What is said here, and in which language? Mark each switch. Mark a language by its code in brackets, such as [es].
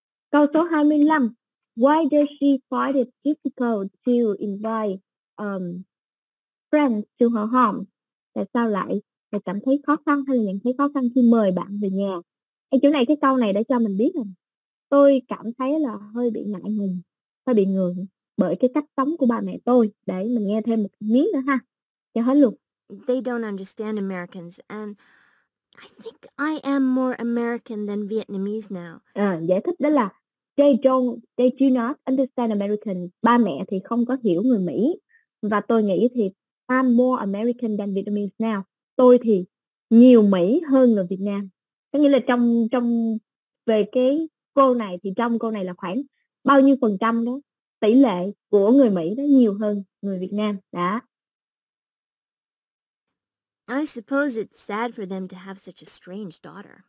[vi] Câu số 25. [en] Why does she find it difficult to invite friends to her home? [vi] Tại sao lại cảm thấy khó khăn hay là nhận thấy khó khăn khi mời bạn về nhà? Ê, chỗ này, cái câu này đã cho mình biết rồi. Tôi cảm thấy là hơi bị ngại ngùng, hơi bị ngượng bởi cái cách sống của ba mẹ tôi. Để mình nghe thêm một miếng nữa ha, cho hết luôn. [en] They don't understand Americans, and I think I am more American than Vietnamese now. [vi] Giải thích đó là [en] they do not understand Americans. [vi] Ba mẹ thì không có hiểu người Mỹ. Và tôi nghĩ thì [en] I'm more American than Vietnamese now. [vi] Tôi thì nhiều Mỹ hơn người Việt Nam. Có nghĩa là trong về cái cô này thì trong cô này là khoảng bao nhiêu phần trăm đó, tỷ lệ của người Mỹ nó nhiều hơn người Việt Nam, đó. [en] I suppose it's sad for them to have such a strange daughter.